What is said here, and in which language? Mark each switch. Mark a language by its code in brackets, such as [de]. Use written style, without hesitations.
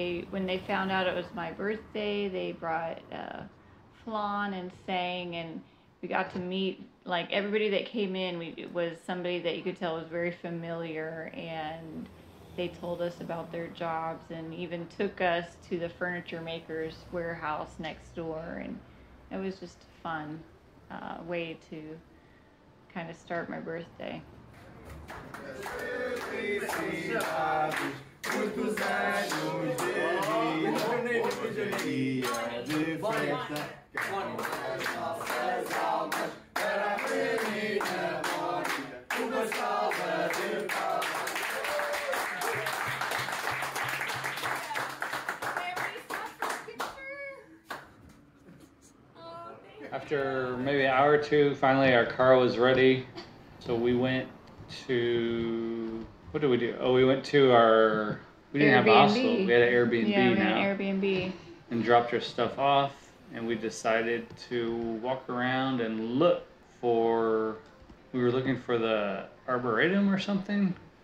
[en] When they found out it was my birthday, they brought flan and sang, and we got to meet, like, everybody that came in was somebody that you could tell was very familiar, and they told us about their jobs and even took us to the furniture maker's warehouse next door, and it was just a fun way to kind of start my birthday. [pt] Muitos anos de vida, hoje é dia de festa. Queremos as almas para a menina Mónica, uma salva de palmas. [en] After maybe an hour or two, finally our car was ready. So we went to, what did we do? Oh, we went to our, we didn't Airbnb. Have a hostel. We had an Airbnb now. Yeah, we had an Airbnb. And dropped our stuff off, and we decided to walk around and look for, we were looking for the arboretum or something?